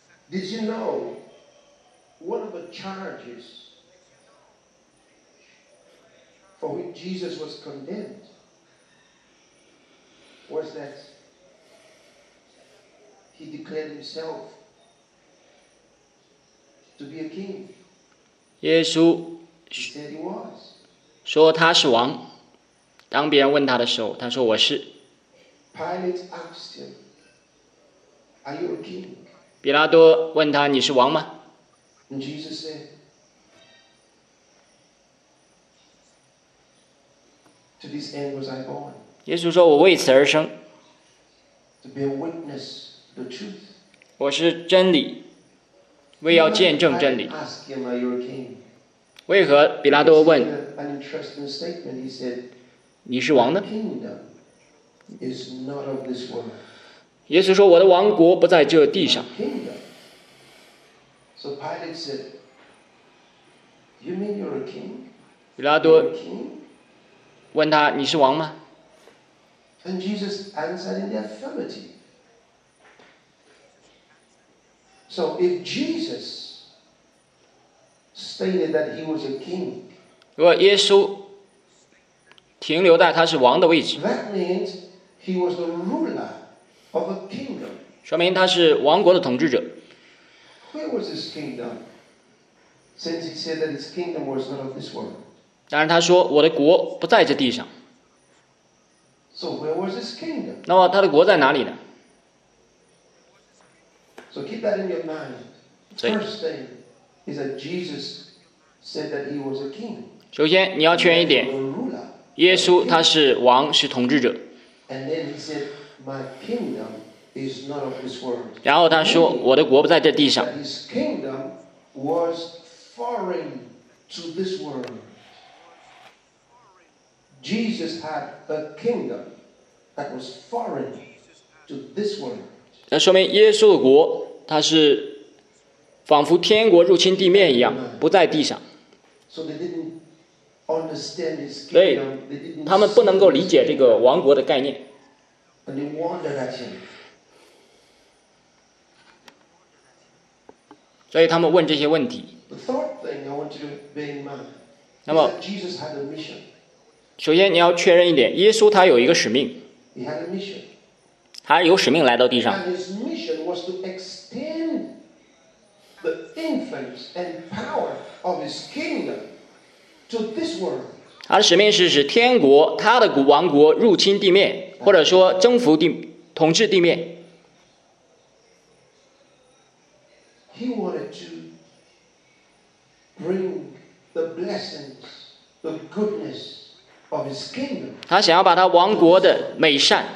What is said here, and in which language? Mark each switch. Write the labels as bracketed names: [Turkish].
[English] Did you know one of the charges for which Jesus was condemned was that he declared himself to be a king? Jesus said he was. [Chinese] 说他是王。当别人问他的时候，他说我是。 [English] Pilate asked him, "Are you a king?" [Chinese] 比拉多问他：“你是王吗？” [English] And Jesus said, "To this end was I born." [Chinese] 耶稣说：“我为此而生。” [English] To be a witness the truth. [Chinese] 我是真理，为要见证真理。 [English] Ask him, "Are you a king?" [Chinese] 为何比拉多问？ [English] An interesting statement. He said, [Chinese] 你是王呢？ [English] My kingdom is not of this world. [Chinese] 耶稣说：“我的王国不在这地上。” [English] So Pilate said, "You mean you're a king?" [Chinese] 比拉多问他：“你是王吗？” [English] And Jesus answered in the affirmative. So if Jesus stated that he was a king, [Chinese] 如果耶稣停留在他是王的位置 [English] ，that means he was the ruler. Of a kingdom. [Chinese] 说明他是王国的统治者。 [English] Where was his kingdom? Since he said that his kingdom was not of this world. [Chinese] 但是他说我的国不在这地上。 [English] So where was his kingdom? [Chinese] 那么他的国在哪里呢？ [English] So keep that in your mind. First thing is that Jesus said that he was a king. [Chinese] 首先你要确认一点，耶稣他是王，是统治者。 [English] And then he said. My kingdom is not of this world. [Chinese] 然后他说：“我的国不在这地上。” [English] His kingdom was foreign to this world. Jesus had a kingdom that was foreign to this world. [Chinese] 那说明耶稣的国，它是仿佛天国入侵地面一样，不在地上。 [English] So they didn't understand his kingdom. [Chinese] 所以他们不能够理解这个王国的概念。 [English] And they wondered at him. [Chinese] 所以他们问这些问题。 [English] The third thing I want you to bear in mind. [Chinese] 那么 [English] Jesus had a mission. [Chinese] 首先你要确认一点，耶稣他有一个使命。 [English] He had a mission. [Chinese] 他有使命来到地上。 [English] And his mission was to extend the influence and power of his kingdom to this world. [Chinese] 他的使命是使天国，他的王国入侵地面，或者说征服地，统治地面。 [English] He wanted to bring the blessings, the goodness of his kingdom. [Chinese] 他想要把他王国的美善。